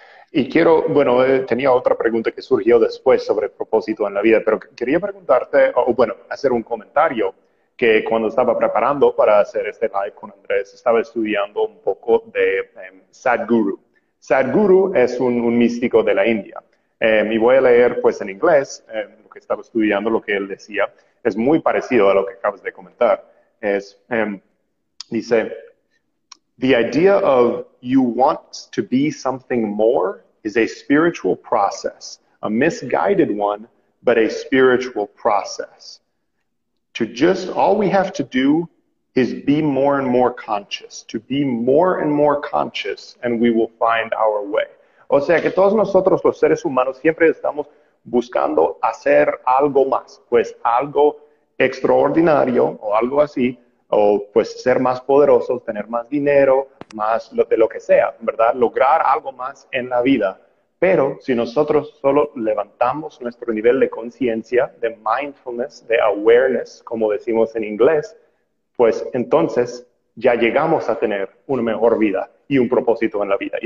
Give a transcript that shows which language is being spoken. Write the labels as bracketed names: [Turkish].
[Spanish] Y quiero, bueno, tenía otra pregunta que surgió después sobre propósito en la vida, pero quería preguntarte, o bueno, hacer un comentario, que cuando estaba preparando para hacer este live con Andrés, estaba estudiando un poco de Sadhguru. Sadhguru es un místico de la India. Y voy a leer, pues, en inglés, lo que estaba estudiando, lo que él decía. Es muy parecido a lo que acabas de comentar. Es, dice, [English] "The idea of you want to be something more is a spiritual process, a misguided one, but a spiritual process. To just, all we have to do is be more and more conscious, to be more and more conscious, and we will find our way." [Spanish] O sea, que todos nosotros, los seres humanos, siempre estamos buscando hacer algo más, pues algo extraordinario o algo así, o pues ser más poderosos, tener más dinero, más de lo que sea, ¿verdad? Lograr algo más en la vida. Pero si nosotros solo levantamos nuestro nivel de conciencia, de mindfulness, de awareness, como decimos en inglés, pues entonces ya llegamos a tener una mejor vida y un propósito en la vida.